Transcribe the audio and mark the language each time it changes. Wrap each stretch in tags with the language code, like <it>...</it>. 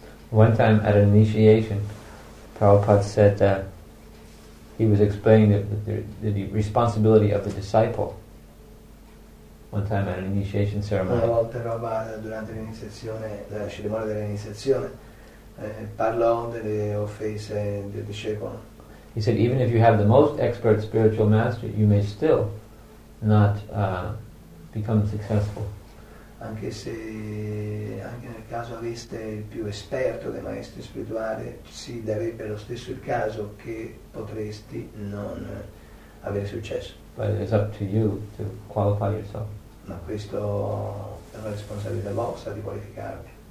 <en>One time at an initiation, Prabhupada said that he was explaining the responsibility of the disciple. One time at an initiation ceremony.</en> <it>Una volta roba durante l'iniziazione, la cerimonia dell'iniziazione, parlò delle offese del discepolo.</it> <en>He said, even if you have the most expert spiritual master, you may still not become successful.</en> <it>Anche se anche nel caso aveste il più esperto dei maestri spirituali, si darebbe lo stesso il caso che potresti non avere successo.</it> <en>But it's up to you to qualify yourself.</en> <it>Ma questo è una responsabilità vostra di qualificarvi.</it>